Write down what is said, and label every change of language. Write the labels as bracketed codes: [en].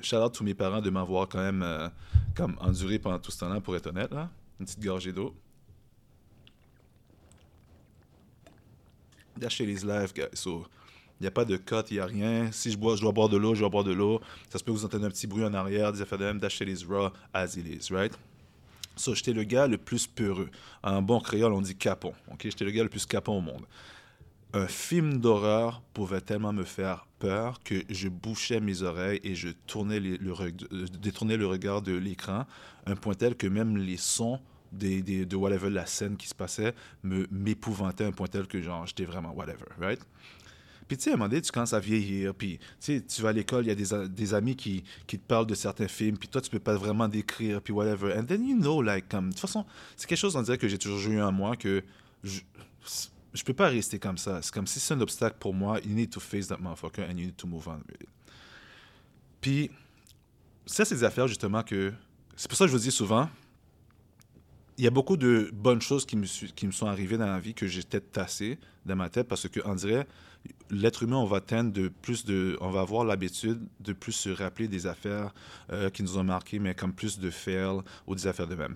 [fr] Shout-out à tous mes parents de m'avoir quand même comme enduré pendant tout ce temps-là, pour être honnête, là. Une petite gorgée d'eau. [en] That shit is life, guys. [fr] So, il n'y a pas de cut, il n'y a rien. Si je bois, je dois boire de l'eau, je dois boire de l'eau. Ça se peut que vous entendez un petit bruit en arrière, des affaires de même. [en] That shit is raw as it is, right? [fr] So, j'étais le gars le plus peureux. En bon créole, on dit capon, OK? J'étais le gars le plus capon au monde. Un film d'horreur pouvait tellement me faire peur que je bouchais mes oreilles et je tournais détournais le regard de l'écran, un point tel que même les sons de whatever la scène qui se passait m'épouvantaient, un point tel que genre j'étais vraiment whatever, right? Puis tu sais, à un moment donné, tu commences à vieillir, puis tu vas à l'école, il y a des amis qui te parlent de certains films, puis toi, tu peux pas vraiment décrire, puis whatever. [en] And then you know, like, [fr] comme, de toute façon, c'est quelque chose, on dirait, que j'ai toujours eu en moi que je peux pas rester comme ça. C'est comme si c'est un obstacle pour moi. [en] You need to face that motherfucker and you need to move on. [fr] Puis, ça, c'est des affaires justement que. C'est pour ça que je vous dis souvent, il y a beaucoup de bonnes choses qui me sont arrivées dans la vie que j'ai peut-être tassées dans ma tête parce qu'on dirait, l'être humain, on va atteindre de plus de. On va avoir l'habitude de plus se rappeler des affaires qui nous ont marqués, mais comme plus de fail ou des affaires de même.